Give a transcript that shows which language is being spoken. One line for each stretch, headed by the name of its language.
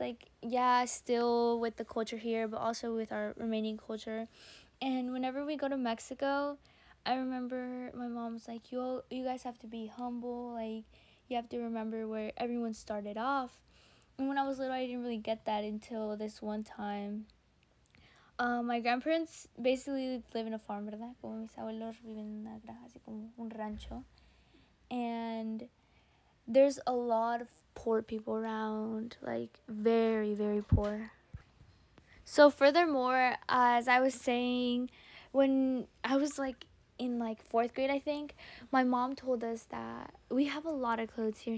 English: Like, yeah, still with the culture here, but also with our remaining culture. And whenever we go to Mexico, I remember my mom's like, you guys have to be humble. Like, you have to remember where everyone started off. And when I was little, I didn't really get that until this one time. My grandparents basically live in a farm, ¿verdad?
Spanish: Como mis abuelos viven en una granja, así como un rancho.
English: And there's a lot of poor people around, like very, very poor. So furthermore, as I was saying, when I was like in like fourth grade, I think, my mom told us that we have a lot of clothes here.